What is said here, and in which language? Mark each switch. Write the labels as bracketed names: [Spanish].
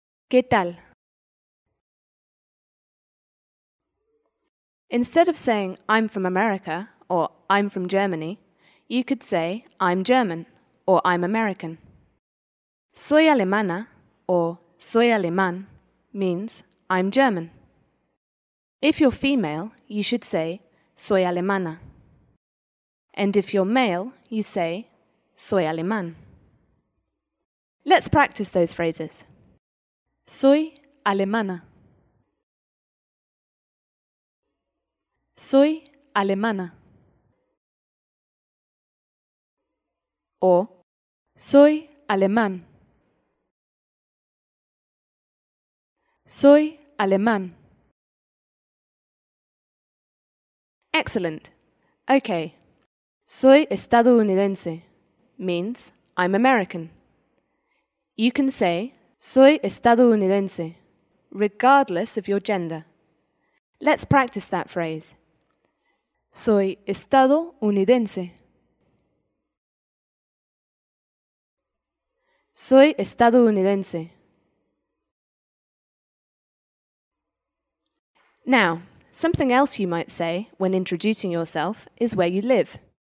[Spanish] ¿Qué tal? [English] Instead of saying, I'm from America, or I'm from Germany, you could say, I'm German, or I'm American. [Spanish] Soy alemana, [English] or [Spanish] soy alemán, [English] means, I'm German. If you're female, you should say, [Spanish] soy alemana. [English] And if you're male, you say, [Spanish] soy alemán. [English] Let's practice those phrases. [Spanish] Soy alemana. Soy alemana. O soy alemán. Soy alemán. [English] Excellent. Okay. [Spanish] Soy estadounidense [English] means I'm American. You can say [Spanish] soy estadounidense [English] regardless of your gender. Let's practice that phrase. [Spanish] Soy estadounidense. Soy estadounidense. [English] Now, something else you might say when introducing yourself is where you live.